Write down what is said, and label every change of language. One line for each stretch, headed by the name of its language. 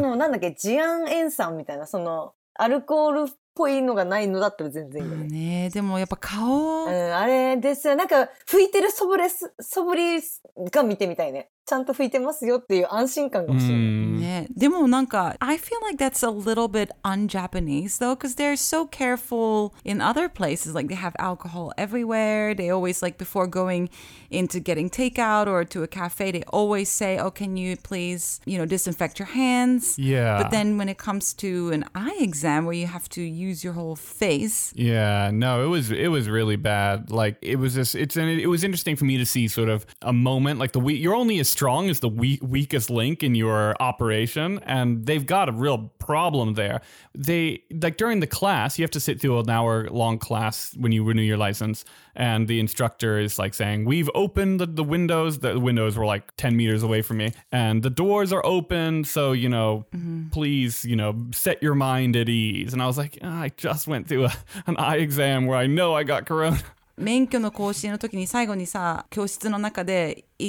Japanese: ちょっとそれか私が消毒のやつ持っていくか。私いつも消毒持ち歩いてる。あ、持ってる。あの、なんかあのジェル持ってないから。シュシュ持ってる。うん。でも、あ、でもわかんないよね。アルコールで荒れる人もいるかもしれないもん。コロナになるよりかは良くない?ま、あの、なんだっけ、次亜塩酸みたいな、そのアルコールっぽいのがないのだったら全然いいよね。ね、でもやっぱ顔、あれですよ。なんか拭いてる素振りが見てみたいね。ちゃんと拭いてますよっていう安心感が欲しい。ね、でもなんか
English: I feel like that's a little bit un-Japanese though, because they're so careful in other places. Like they have alcohol everywhere. They always, like, before going into getting takeout or to a cafe, they always say, "Oh, can you please, you know, disinfect your hands?" Yeah. But then when it comes to an eye exam where you have to use your whole face. Yeah, no, it was really bad. Like, it was interesting for me to see sort of a moment, like you're only as strong as the weakest link in your operation, and they've got a real problem there. They, like, during the class, you have to sit through an hour long class when you renew your license, and the instructor is like saying, "We've opened the windows." The windows were like 10 meters away from me, and the doors are open, so, you know, please, you know, set your mind at ease. And I was like, oh, I just went through an eye exam where I know I got corona.
Japanese: 免許の更新の時に最後にさ、教室の中で